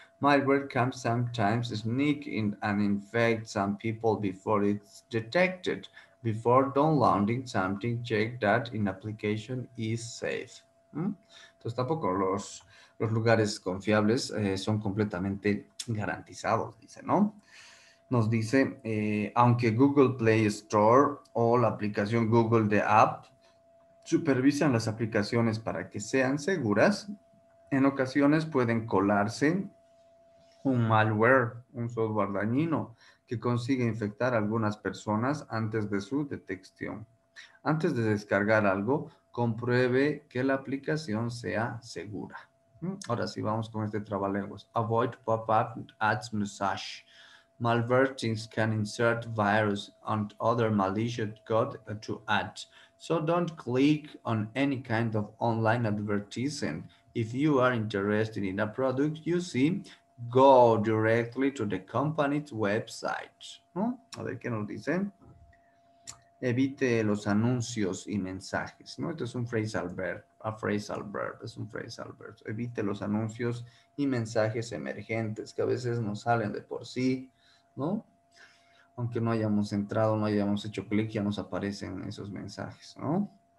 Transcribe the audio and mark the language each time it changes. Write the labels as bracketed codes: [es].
[en] Malware can sometimes sneak in and infect some people before it's detected. Before downloading something, check that an application is safe. [es] Entonces, tampoco los lugares confiables son completamente garantizados, dice, ¿no? Nos dice, aunque Google Play Store o la aplicación Google de App supervisan las aplicaciones para que sean seguras, en ocasiones pueden colarse un malware, un software dañino que consigue infectar a algunas personas antes de su detección. Antes de descargar algo, compruebe que la aplicación sea segura. Ahora sí, vamos con este trabalenguas. [en] Avoid pop-up ads message. Malvertings can insert virus and other malicious code to ads. So don't click on any kind of online advertisement. If you are interested in a product you see, go directly to the company's website. [es] ¿No? A ver qué nos dicen. Evite los anuncios y mensajes, ¿no? Esto es un phrasal verb, a phrasal verb, es un phrasal verb. Evite los anuncios y mensajes emergentes que a veces nos salen de por sí, ¿no? Aunque no hayamos entrado, no hayamos hecho clic, ya nos aparecen esos mensajes, ¿no?